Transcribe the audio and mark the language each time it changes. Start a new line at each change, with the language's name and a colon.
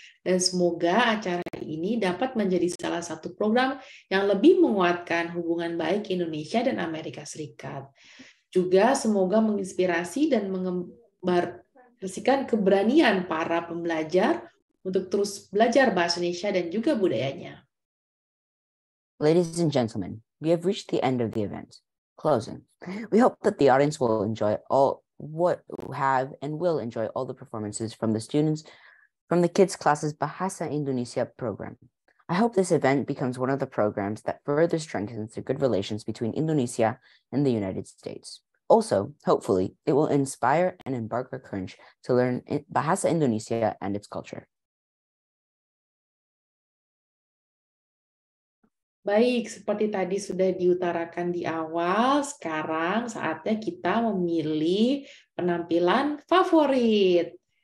Indonesian: Dan semoga acara ini dapat menjadi salah satu program yang lebih menguatkan hubungan baik Indonesia dan Amerika Serikat. Juga semoga menginspirasi dan mengembarkan keberanian para pembelajar untuk terus belajar bahasa Indonesia dan juga budayanya.
English: Ladies and gentlemen, we have reached the end of the event. Closing. We hope that the audience will enjoy all what we have and will enjoy all the performances from the students from the Kids Classes Bahasa Indonesia program. I hope this event becomes one of the programs that further strengthens the good relations between Indonesia and the United States. Also, hopefully, it will inspire and embark our courage to learn Bahasa Indonesia and its culture.
Indonesian: Baik, seperti tadi sudah diutarakan di awal, sekarang saatnya kita memilih penampilan favorit.